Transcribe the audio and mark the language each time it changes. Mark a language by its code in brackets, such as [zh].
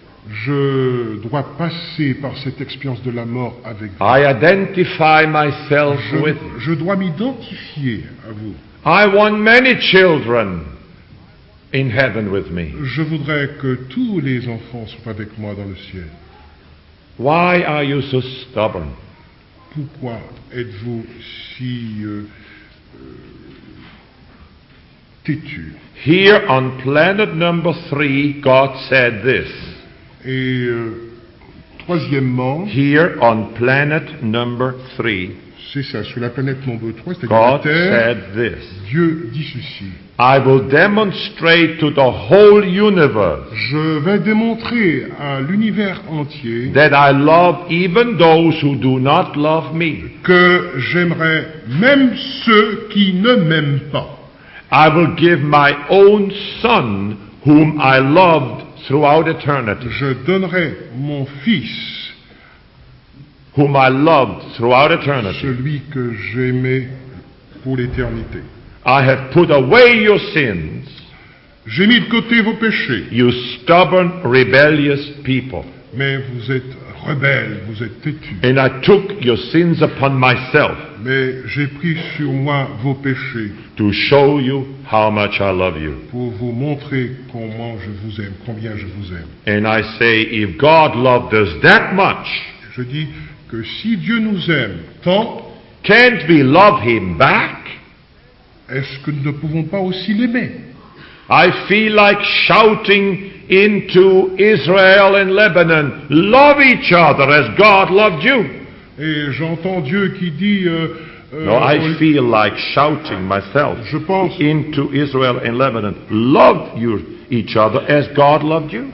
[fr] Je dois passer par cette expérience de la mort avec vous. [en] I identify myself with you. [fr] Je dois m'identifier à vous. [en] I want many children in heaven with me. [fr] Je voudrais que tous les enfants soient avec moi dans le ciel. [en] Why are you so stubborn? [fr] Pourquoi êtes-vous si têtu? [en] Here on planet number 3, God said this. [fr] Et troisièmement, [en] here on planet number 3, [fr] c'est ça, sur la planète [en] number 3, [fr] c'est-à-dire [en] God [fr] la Terre, [en] said this. [fr] Dieu dit ceci. [en] I will demonstrate to the whole universe. [fr] Je vais démontrer à l'univers entier [en] that I love even those who do not love me. [fr] Que j'aimerai même ceux qui ne m'aiment pas. [en] I will give my own son whom I loved throughout eternity. [fr] Je donnerai mon fils [en] whom I loved throughout eternity. [fr] Celui que j'aimais pour l'éternité. [en] I have put away your sins. [fr] J'ai mis de côté vos péchés. [en] You stubborn, rebellious people. [fr] Mais vous êtes rebelles, vous êtes têtus. [en] And I took your sins upon myself. [fr] Mais j'ai pris sur moi vos péchés. [en] To show you how much I love you. [fr] Pour vous montrer comment je vous aime, combien je vous aime. [en] And I say, if God loved us that much, [fr] je dis que si Dieu nous aime tant, [en] can't we love him back? [fr] Est-ce que nous ne pouvons pas aussi l'aimer? [en] I feel like shouting into Israel and Lebanon, love each other as God loved you. [fr] Et j'entends Dieu qui dit [en] I feel like shouting myself [fr] je pense, [en] into Israel and Lebanon, love you each other as God loved you.